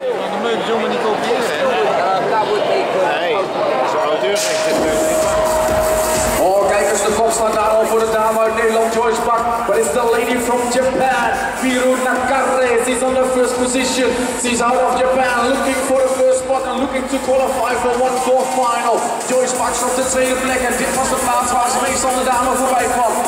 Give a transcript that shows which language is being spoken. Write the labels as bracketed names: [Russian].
[Dutch] me het jongen niet kopiëren. Oh, kijk eens, de kop staat daar al voor de dame uit Nederland, Joyce Buck. [English] But it's the lady from Japan, Miru Nakare. She's on the first position. She's out of Japan, looking for the first spot and looking to qualify for one quarterfinal. [Dutch] Joyce Buck op de tweede plek en dit was de plaats waar ze meestal de dame voorbij kwam.